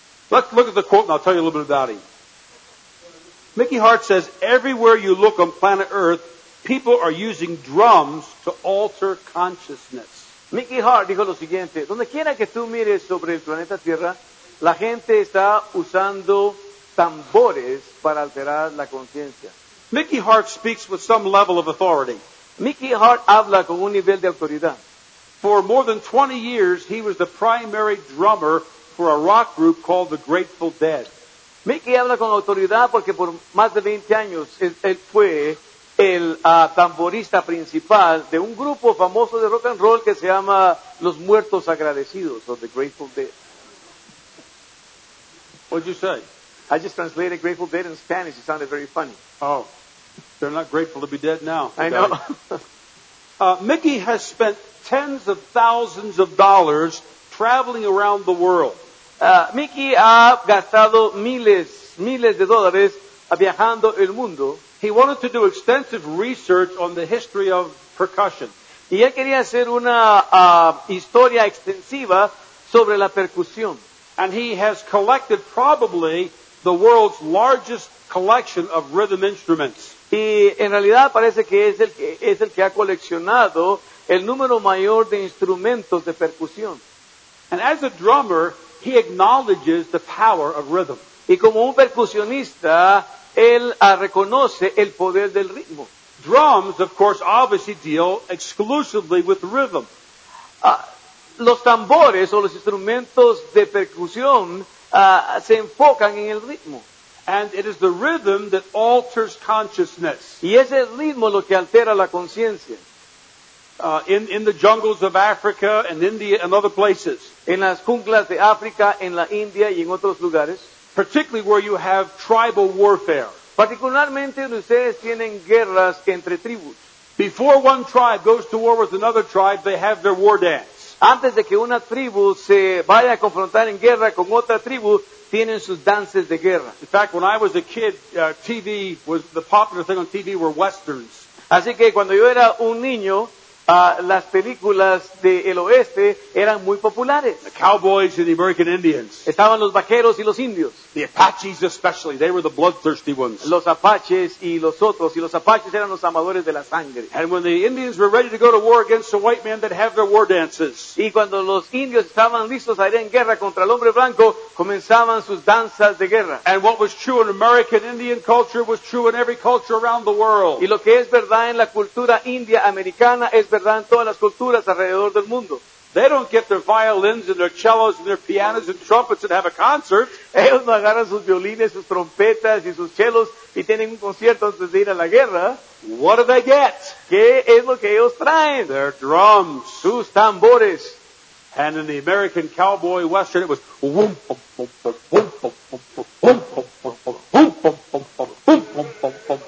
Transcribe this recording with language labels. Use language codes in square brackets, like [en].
[en] Look at the quote, and I'll tell you a little bit about him. Mickey Hart says, everywhere you look on planet Earth, people are using drums to alter consciousness. [es] Mickey Hart dijo lo siguiente, donde quiera que tú mires sobre el planeta Tierra, la gente está usando tambores para alterar la conciencia. [en] Mickey Hart speaks with some level of authority. [es] Mickey Hart habla con un nivel de autoridad. [en] For more than 20 years, he was the primary drummer for a rock group called the Grateful Dead. [es] Mickey habla con autoridad porque por más de 20 años él fue el tamborista principal de un grupo famoso de rock and roll que se llama Los Muertos Agradecidos, o The Grateful Dead. [en] What did you say? I just translated Grateful Dead in Spanish. It sounded very funny. Oh, they're not grateful to be dead now. I know. Mickey has spent tens of thousands of dollars traveling around the world. [es] Mickey ha gastado miles de dólares viajando el mundo. [en] He wanted to do extensive research on the history of percussion. [es] Y él quería hacer una historia extensiva sobre la percusión. [en] And he has collected probably the world's largest collection of rhythm instruments. [es] Y en realidad parece que es el que ha coleccionado el número mayor de instrumentos de percusión. [en] And as a drummer, he acknowledges the power of rhythm. [es] Y como un percusionista, él reconoce el poder del ritmo. [en] Drums, of course, obviously deal exclusively with rhythm. [es] Los tambores o los instrumentos de percusión se enfocan en el ritmo. [en] And it is the rhythm that alters consciousness. [es] Y es el ritmo lo que altera la conciencia. [en] In the jungles of Africa and India and other places. [es] En las junglas de África, en la India y en otros lugares. [en] Particularly where you have tribal warfare. [es] Particularmente donde ustedes tienen guerras entre tribus. [en] Before one tribe goes to war with another tribe, they have their war dance. [es] Antes de que una tribu se vaya a confrontar en guerra con otra tribu, tienen sus danzas de guerra. [en] In fact, when I was a kid, TV was the popular thing on TV were westerns. [es] Así que cuando yo era un niño, las películas del oeste eran muy populares. [en] The cowboys and the American Indians. [es] Estaban los vaqueros y los indios. [en] The Apaches especially, they were the bloodthirsty ones. [es] Los apaches y los otros, y los apaches eran los amadores de la sangre. [en] And when the Indians were ready to go to war against the white man, they'd have their war dances. [es] Y cuando los indios estaban listos a ir en guerra contra el hombre blanco, comenzaban sus danzas de guerra. [en] And what was true in American Indian culture was true in every culture around the world. [es] Y lo que es verdad en la cultura india americana es verdad en todas las culturas alrededor del mundo. [en] They don't get their violins and their cellos and their pianos and trumpets and have a concert. [es] Ellos no agarran sus violines, sus trompetas y sus cellos y tienen un concierto antes de ir a la guerra. [en] What do they get? [es] ¿Qué es lo que ellos traen? [en] Their drums. [es] Sus tambores. [en] And in the American cowboy western, it was boom, boom, boom, boom, boom, boom, boom, boom, boom, boom, boom, boom, boom, boom, boom, boom, boom, boom, boom, boom.